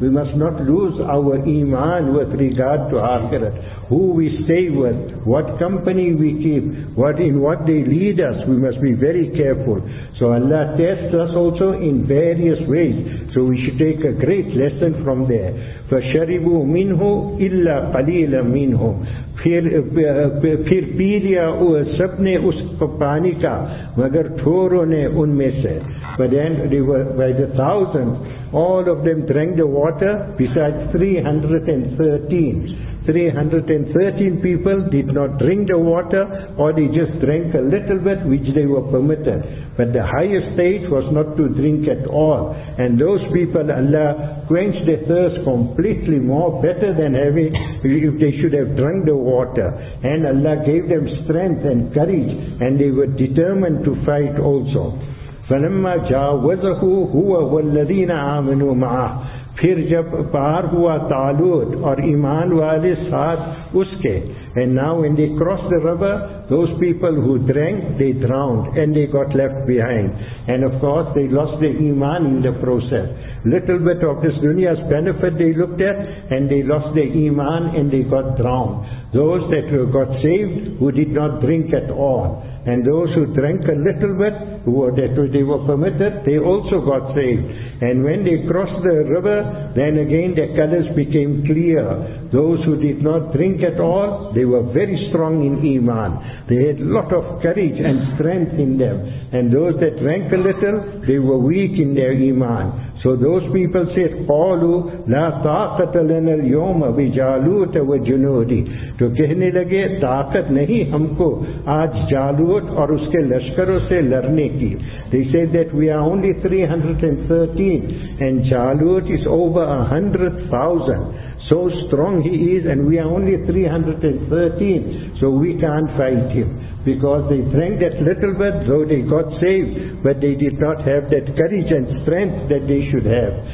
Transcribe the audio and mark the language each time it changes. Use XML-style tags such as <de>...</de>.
<en>We must not lose our iman with regard to akhirat. Who we stay with, what company we keep, what in what they lead us, we must be very careful. So Allah tests us also in various ways. So we should take a great lesson from there.</en> <ar>فَشَرِبُوا مِنْهُ إِلَّا قَلِيلًا مِنْهُ</ar> <ur>پھر پی لیا سب نے اس پانی کا مگر تھوڑوں نے ان میں سے.</ur> <en>But then they were by the thousands, all of them drank the water besides 313. 313 people did not drink the water, or they just drank a little bit, which they were permitted. But the highest stage was not to drink at all. And those people, Allah quenched their thirst completely, more better than having, if they should have drunk the water. And Allah gave them strength and courage, and they were determined to fight also.</en> <ar>فَلَمَّا جَاوَزَهُ هُوَ وَالَّذِينَ آمَنُوا مَعَهُ.</ar> <ur>پھر جب پار ہوا تالوت اور ایمان والے ساتھ اس کے.</ur> <en>And now when they crossed the river, those people who drank, they drowned and they got left behind. And of course they lost their iman in the process. Little bit of this dunya's benefit they looked at, and they lost their iman and they got drowned. Those that were got saved, who did not drink at all. And those who drank a little bit, they were permitted, they also got saved. And when they crossed the river, then again their colors became clear. Those who did not drink at all, they were very strong in iman. They had a lot of courage and strength in them. And those that drank a little, they were weak in their iman. So those people said,</en> <ar>قَالُوا لَا طَاقَتَ لَنَا الْيَوْمَ بِجَالُوتَ وَجُنُودِ.</ar> <ur>تو کہنے لگے طاقت نہیں ہم کو آج جالوت اور اس کے لشکروں سے لرنے کی.</ur> <en>They said that we are only 313 and جالوت is over 100,000. So strong he is and we are only 313, so we can't fight him. Because they drank that little bit, though they got saved, but they did not have that courage and strength that they should have.</en>